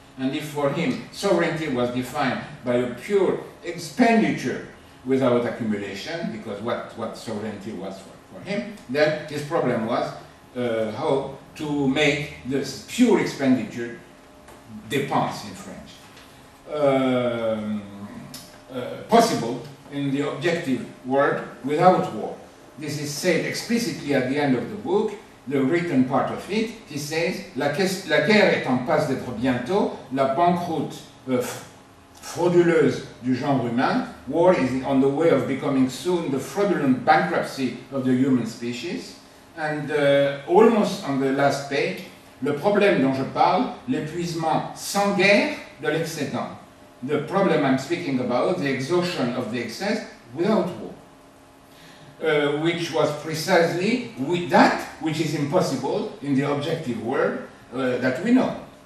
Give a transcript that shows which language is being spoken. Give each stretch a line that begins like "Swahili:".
English: And if for him sovereignty was defined by a pure expenditure without accumulation, because what sovereignty was for him, then his problem was how to make this pure expenditure, dépense in French, possible in the objective world without war. This is said explicitly at the end of the book, the written part of it. He says,
French: la guerre est en passe d'être bientôt la banqueroute frauduleuse du genre humain.
English: War is on the way of becoming soon the fraudulent bankruptcy of the human species. And almost on the last page,
French: le problème dont je parle, l'épuisement sans guerre de l'excédent.
English: The problem I'm speaking about, the exhaustion of the excess without war, which was precisely with that which is impossible in the objective world that we know.